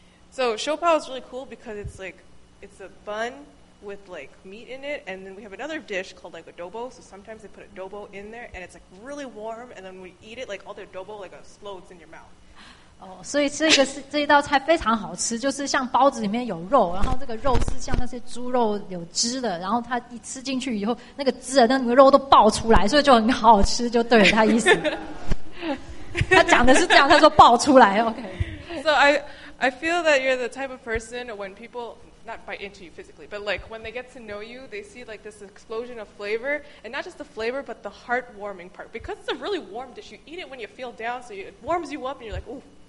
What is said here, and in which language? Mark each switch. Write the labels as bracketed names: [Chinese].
[English] So shopao is really cool because it's like it's a bun with like meat in it, and then we have another dish called like adobo. So sometimes they put adobo in there, and it's like really warm, and then we eat it like all the adobo like explodes in your mouth. [Chinese] 哦，所以这个是这一道菜非常好吃，就是像包子里面有肉，然后这个肉是像那些猪肉有汁的，然后它一吃进去以后，那个汁的那个肉都爆出来，所以就很好吃，就对了他意思。他讲的是这样，他说爆出来 ，OK。So [English] I feel that you're the type of person when people not bite into you physically, but like when they get to know you, they see like this explosion of flavor, and not just the flavor, but the heartwarming part. Because it's a really warm dish, you eat it when you feel down, so it warms you up, and you're like, ooh.